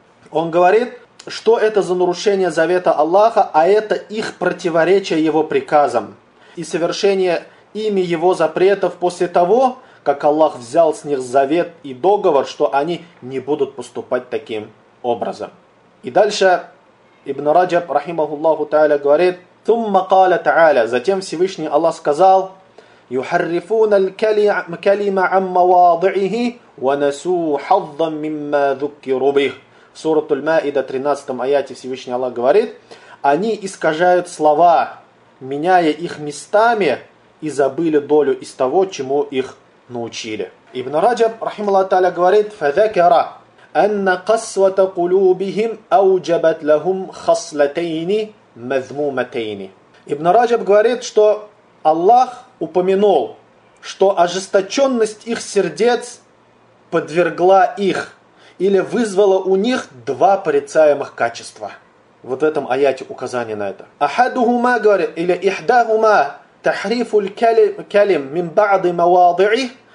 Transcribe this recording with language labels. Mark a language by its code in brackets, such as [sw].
[ru] Он говорит, что это за нарушение завета Аллаха, а это их противоречие его приказам и совершение ими его запретов после того, как Аллах взял с них завет и договор, что они не будут поступать таким образом. И дальше Ибн Раджаб, рахимахуллаху та'аля, говорит: «Тумма каля та'аля», затем Всевышний Аллах сказал: [ar] يحرفون الكلمة عن مواضعه ونسوا حظا مما ذكروا به. سورة المائدة 13 آيات سيوشني الله [ru] говорит: они искажают слова, меняя их местами, и забыли долю из того, чему их научили. [ar] Ибн Раджаб, رحمه الله تعالى, говорит: فذكره أن قسوة قلوبهم أوجبت لهم خصلتين مذمومتين. [ru] Ибн Раджаб говорит, что Аллах упомянул, что ожесточенность их сердец подвергла их или вызвала у них два порицаемых качества. Вот в этом аяте указание на это. Ахадухума говорит, или [ar] ихдахума тахрифу калим мин ба'ды мавадии.